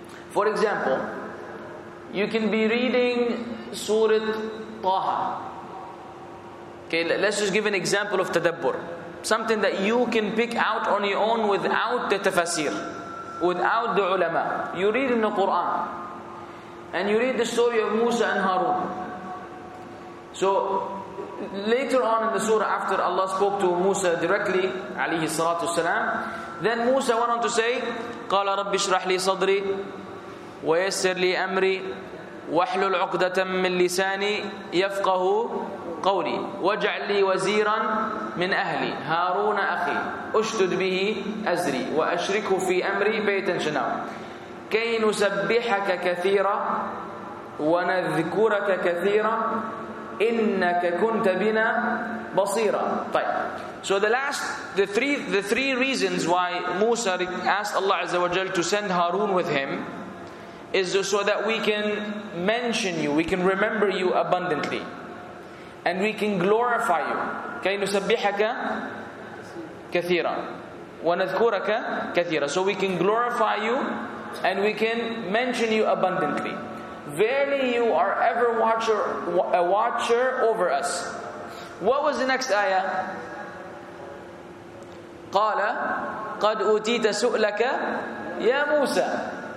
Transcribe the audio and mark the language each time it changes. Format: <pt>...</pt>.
<en>For example, you can be reading Surah Taha. Okay, let's just give an example of tadabbur. Something that you can pick out on your own without the tafasir, without the ulama. You read in the Quran and you read the story of Musa and Harun. So, later on in the surah, after Allah spoke to Musa directly,</en> <ar>عليه الصلاة والسلام,</ar> <en>then Musa went on to say,</en> <ar>قَالَ رَبِّ اشْرَحْ لِي صَدْرِي وَيَسِّرْ لِي أَمْرِي وَحْلُ الْعُقْدَةً مِّن لِسَانِي يَفْقَهُ قَوْلِي وَجَعْلْ لِي وَزِيرًا مِّنْ أَهْلِي هَارُونَ أَخِي أُشْتُدْ بِهِ أَزْرِي وَأَشْرِكُهُ فِي أَمْرِي بَيْتًا شَنَوْا كَيْ نُسَبِّحَكَ كَثِيرًا وَنَذْكُرَكَ كَثِيرًا إِنَّكَ كُنْتَ بِنَا بَصِيرًا. طيب.</ar> <en>So the three reasons why Musa asked Allah Azza wa Jal to send Harun with him is so that we can mention you, we can remember you abundantly, and we can glorify you.</en> <ar>كَيْ نُسَبِّحَكَ كَثِيرًا وَنَذْكُرَكَ كَثِيرًا.</ar> <en>So we can glorify you and we can mention you abundantly. Verily you are ever watcher, a watcher over us. What was the next ayah?</en> <ar>قَالَ قَدْ أُوتِيتَ سُؤْلَكَ يَا مُوسَى.</ar>